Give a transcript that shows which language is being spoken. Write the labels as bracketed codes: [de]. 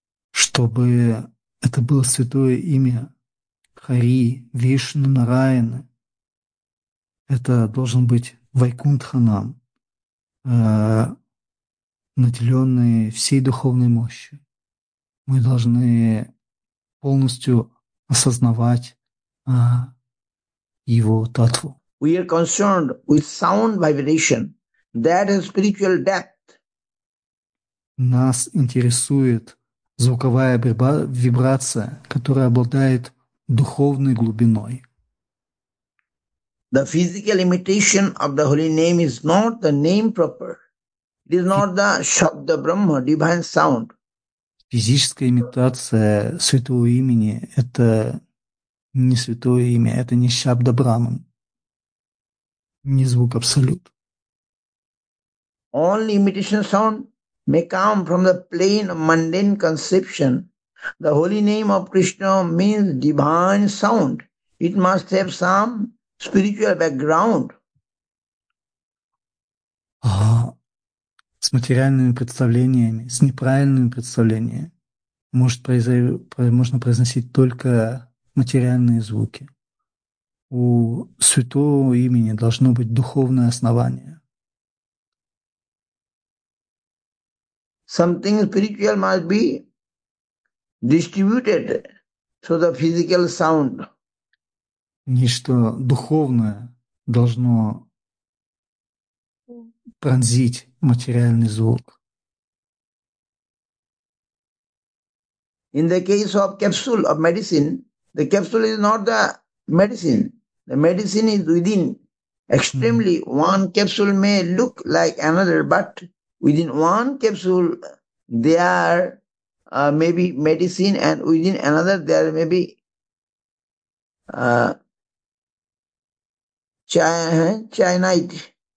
[ru] Чтобы это было святое имя Хари, Вишну, Нараяны, это должен быть Вайкунтханам, наделенный всей духовной мощью. Мы должны полностью осознавать его татву. [en] We are concerned with sound vibration that has spiritual depth. [ru] Нас интересует звуковая вибрация, которая обладает духовной глубиной. [en] The physical imitation of the holy name is not the name proper. It is not the Shabda Brahma, divine sound. [ru] Физическая имитация святого имени – это не святое имя, это не Шабда Браман, не звук Абсолют. [en] Only imitation sound may come from the plane of mundane conception. The holy name of Krishna means divine sound. It must have some spiritual background. [ru] С материальными представлениями, с неправильными представлениями можно произносить только материальные звуки. У святого имени должно быть духовное основание. [en] Something spiritual must be distributed through the physical sound. [ru] Нечто духовное должно пронзить материальный звук. [en] In the case of capsule of medicine, the capsule is not the medicine. The medicine is within. Extremely, one capsule may look like another, but within one capsule there may be medicine, and within another there may be chyanite.